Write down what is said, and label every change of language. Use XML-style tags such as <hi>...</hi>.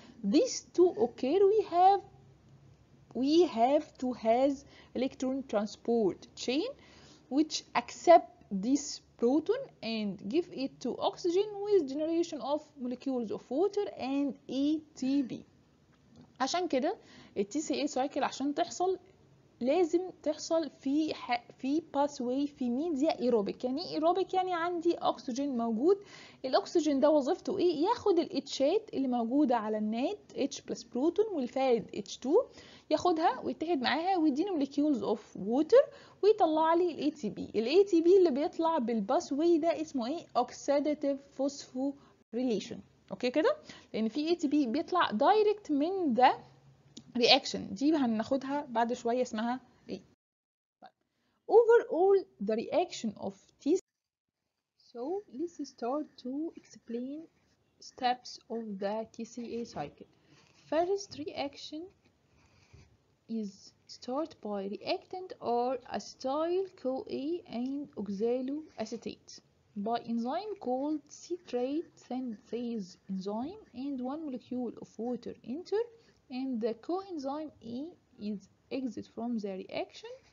<en>These two occur, we have to have electron transport chain which accept this proton and give it to oxygen with generation of molecules of water and ATP.</en> <ar>عشان كده TCA cycle عشان تحصل لازم تحصل في باثوي في ميديا ايروبيك. يعني ايه ايروبيك؟ يعني عندي اكسجين موجود. الاكسجين ده وظيفته ايه؟ ياخد الاتشات اللي موجوده على النات H بلس بروتون والفاد H2، ياخدها ويتحد معاها ويديني</ar> <en>molecules of water</en> <ar>ويطلع لي الاي تي بي. الاي تي بي اللي بيطلع بالباثوي ده اسمه ايه؟ اوكسيداتيف فوسفوريليشن. اوكي كده؟ لان في اي تي بي بيطلع دايركت من</ar> <en>the reaction،</en> <ar>دي هناخدها بعد شوية اسمها ايه.</ar> <en>Overall the reaction of TCA. So let's start to explain steps of the TCA cycle. First reaction is start by reactant or acetyl CoA and oxaloacetate by enzyme called citrate synthase enzyme and one molecule of water enter and the coenzyme A is exit from the reaction.</en>